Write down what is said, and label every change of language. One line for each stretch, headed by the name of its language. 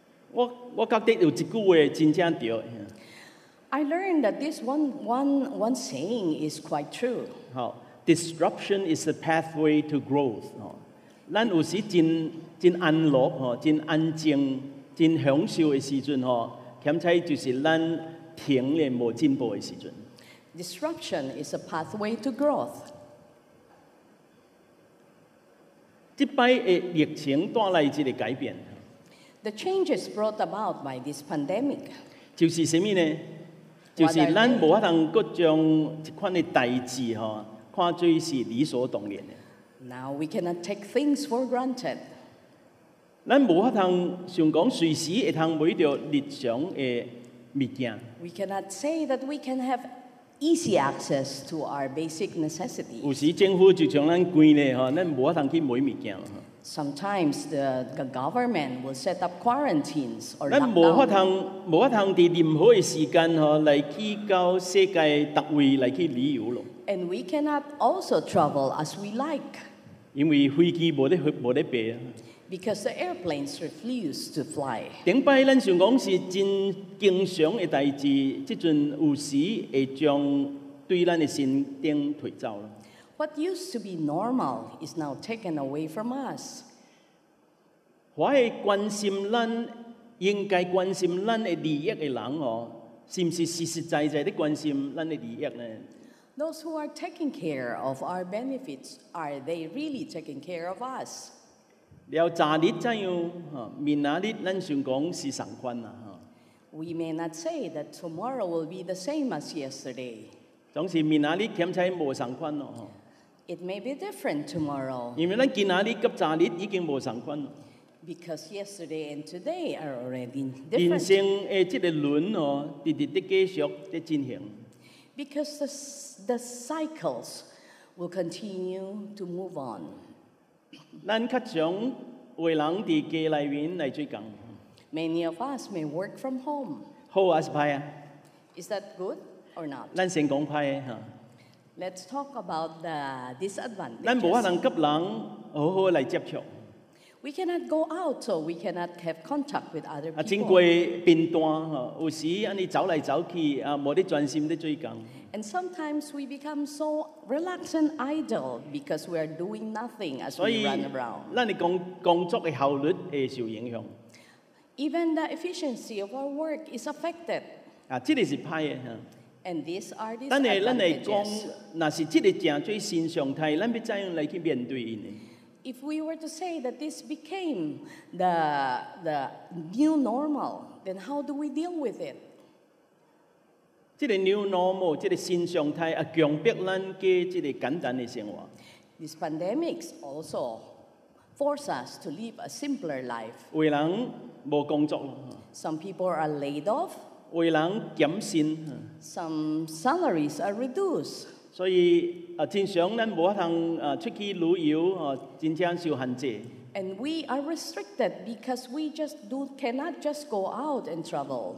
Min Nan Chinese: 我觉得有一句话真正对。
English: I learned that this one saying is quite true. Disruption is the pathway to growth.
Min Nan Chinese: 咱有时真安乐真安静真享受的时阵吼，恰恰就是咱停咧无进步的时阵。
English: Disruption is a pathway to growth.
Min Nan Chinese: 这摆的疫情带来一个改变。
English: The changes brought about by this pandemic.
Min Nan Chinese: 就是什么呢？就是咱无法通各种一款的代志哈，看作是理所当然的。
English: Now we cannot take things for granted.
Min Nan Chinese: 咱无法通想讲随时会通买到日常的物件。
English: We cannot say that we can have easy access to our basic necessities.
Min Nan Chinese: 有时政府就将咱关咧哈，咱无法通去买物件。
English: Sometimes the government will set up quarantines or lockdown.
Min Nan Chinese: 无法通伫任何的时间吼来去到世界各位来去旅游咯。
English: And we cannot also travel as we like.
Min Nan Chinese: 因为飞机无得飞。
English: Because the airplanes refuse to fly.
Min Nan Chinese: 顶摆咱想讲是真经常的代志，即阵有时会将对咱的心顶推走咯。
English: What used to be normal is now taken away from us.
Min Nan Chinese: 我会关心咱应该关心咱的利益的人哦，是不是实实在在的关心咱的利益呢？
English: Those who are taking care of our benefits, are they really taking care of us?
Min Nan Chinese: 了，昨日怎样？明仔日咱想讲是同款啦。
English: We may not say that tomorrow will be the same as yesterday.
Min Nan Chinese: 总是明仔日天气无同款咯。
English: It may be different tomorrow.
Min Nan Chinese: 因为咱今仔日甲昨日已经无相关了。
English: Because yesterday and today are already different.
Min Nan Chinese: 人生诶，这个轮哦，直继续在进行。
English: Because the cycles will continue to move on.
Min Nan Chinese: 咱较常为人伫家内面来做工。
English: Many of us may work from home.
Min Nan Chinese: 好还是歹啊
English: ？Is that good or not?
Min Nan Chinese: 咱先讲歹诶哈。
English: Let's talk about the disadvantages.
Min Nan Chinese: 咱无法能跟人好好来接触。
English: We cannot go out, so we cannot have contact with other people.
Min Nan Chinese: 经过片段有时安尼走来走去啊，无得专心在做工。
English: And sometimes we become so relaxed and idle because we are doing nothing as we run around.
Min Nan Chinese: 所以，咱的工作的效率会受影响。
English: Even the efficiency of our work is affected.
Min Nan Chinese: 啊，这个是歹的哈。
English: And these are the advantages.
Min Nan Chinese: 咱来讲，那是这个正做新常态，咱要怎样来去面对伊呢
English: ？If we were to say that this became the new normal, then how do we deal with it？
Min Nan Chinese: 这个
English: new normal，
Min Nan Chinese: 这个新常态啊，强迫咱过这个简单的生活。
English: This pandemic also forces us to live a simpler life.
Min Nan Chinese: 有人无工作咯。
English: Some people are laid off.
Min Nan Chinese: 为人减薪
English: ，some salaries are reduced。
Min Nan Chinese: 所以啊，经常咱无法通啊出去旅游啊，真正受限制。
English: And we are restricted because we just do cannot just go out and travel。